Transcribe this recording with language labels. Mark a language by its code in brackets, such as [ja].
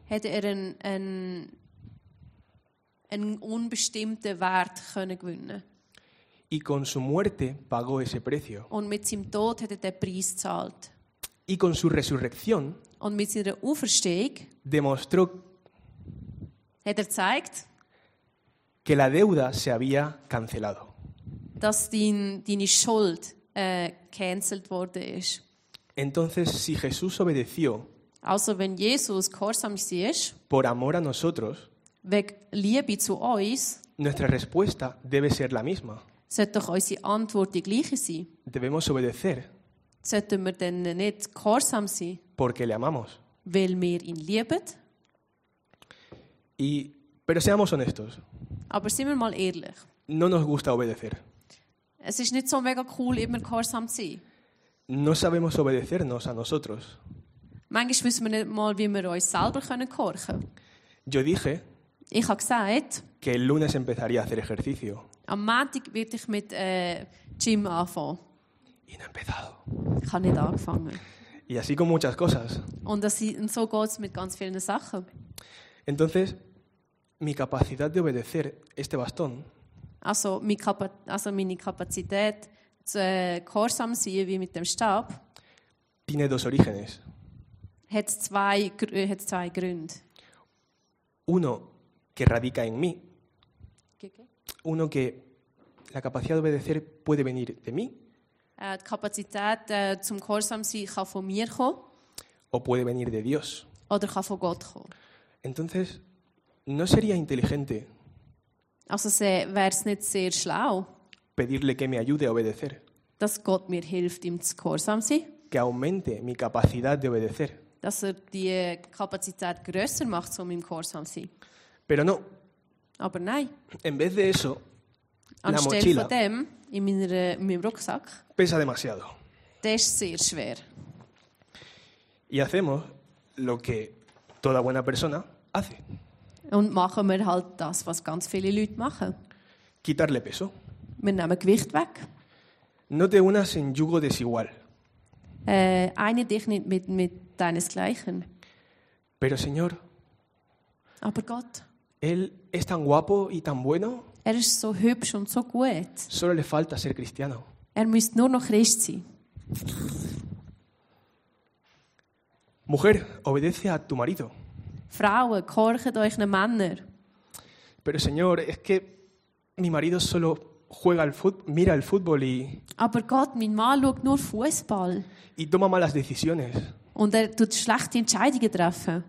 [de] Hat er einen unbestimmten Wert können gewinnen. [es] Y con su muerte pagó ese precio. [de] Und mit seinem Tod hat er den Preis gezahlt. [es] Y con su resurrección. [de] Und mit seiner Auferstehung. [es] Demostró. [de] Hat er gezeigt. [es] Que la deuda se había cancelado. [de] Dass deine Schuld cancelled worden ist. [es] Entonces, si Jesús obedeció. [de] Also, wenn Jesus gehorsam ist. [es] Por amor a nosotros. [de] Wegen Liebe zu uns, [es] nuestra respuesta debe ser la misma. [de] Sollte doch unsere Antwort die gleiche sein. [es] Debemos obedecer. [de] Sollten wir denn nicht gehorsam sein? [es] Porque le amamos. [de] Weil wir ihn lieben. [es] Pero seamos honestos. [de] Aber seien wir mal ehrlich. [es] No nos gusta obedecer. [de] Es ist nicht so mega cool, immer gehorsam zu sein. [es] No sabemos obedecernos a nosotros. [de] Manchmal wissen wir nicht mal, wie wir uns selber gehorchen können. [es] Yo dije, [de] ich habe gesagt, [es] que el lunes empezaría a hacer ejercicio. [de] Am Montag werde ich mit Gym anfangen. [es] Y no he empezado. [de] Ich habe nicht angefangen. [es] Y así con muchas cosas. [de] Und so geht es mit ganz vielen Sachen. [es] Entonces, mi capacidad de obedecer este bastón, [de] also meine Kapazität, gehorsam zu sein wie mit dem Stab, [es] tiene dos orígenes. [de] Hat zwei Gründe. [es] Uno que radica en mí. ¿Qué? Uno que la capacidad de obedecer puede venir de mí. [de] Die Kapazität zum Gehorsam sein kann von mir kommen. [es] O puede venir de Dios. [de] Oder kann von Gott kommen. [es] Entonces, ¿no sería inteligente? [de] Also wäre es nicht sehr schlau. [es] Pedirle que me ayude a obedecer. [de] Dass Gott mir hilft, ihm zu gehorsam sein. [es] Que aumente mi capacidad de obedecer. [de] dass er die Kapazität grösser macht, um im Gehorsam zu sein. [es] Pero no. [de] Aber nein. [es] En vez de eso, [de] anstelle [es] la [de] von dem, in meinem Rucksack, [es] pesa demasiado. [de] Der ist sehr schwer. [es] Y hacemos lo que toda buena persona hace. [de] Und machen wir halt das, was ganz viele Leute machen. [es] Quitarle peso. [de] Wir nehmen Gewicht weg. [es] No te unas en yugo desigual. [de] Eine dich nicht mit deinesgleichen. [es] Pero señor. [de] Aber Gott. [es] Él es tan guapo y tan bueno. [de] Er ist so hübsch und so gut. [es] Solo le falta ser cristiano. [de] Er müsste nur noch Christ sein. [es] Mujer, obedece a tu marido. [de] Frauen, gehorcht euren Männern. [es] Pero señor, es que mi marido solo juega al fútbol, mira el fútbol y. [de] Aber Gott, mein Mann schaut nur Fußball. [es] Y toma malas decisiones. [de] Und er tut schlechte Entscheidungen treffen.